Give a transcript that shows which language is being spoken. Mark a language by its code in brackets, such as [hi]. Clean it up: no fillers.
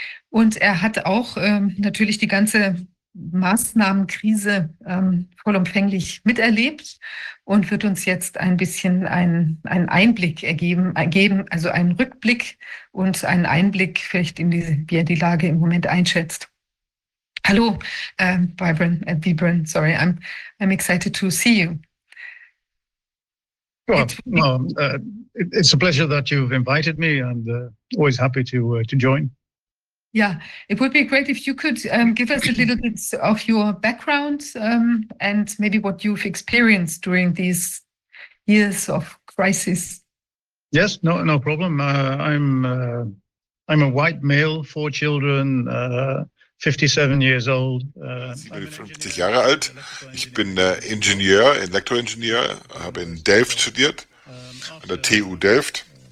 [de] Und er hat auch natürlich die ganze Maßnahmenkrise vollumfänglich miterlebt und wird uns jetzt ein bisschen einen Einblick geben, also einen Rückblick und einen Einblick vielleicht in wie er die Lage im Moment einschätzt. [en] Hallo, Vibren, sorry, I'm excited to see you. Well, it's a pleasure that you've invited me, and always happy to join. Yeah, it would be great if you could give us a little bit of your background and maybe what you've experienced during these years of crisis. Yes, no problem. I'm a white male, four children, 57 years old. [de] Ich bin 50 Jahre alt. Ich bin Ingenieur, Elektroingenieur, habe in Delft studiert, an der TU Delft.